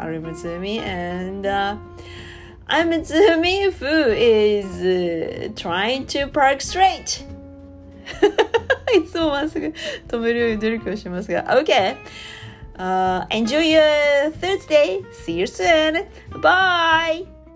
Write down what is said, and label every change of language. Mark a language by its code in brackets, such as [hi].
[en] I'm Mitsumi, and I'm Mitsumi, who is trying to park straight. [ja] いつもまっすぐ止めるように努力をしますが。 [en] Okay, enjoy your Thursday. See you soon. Bye.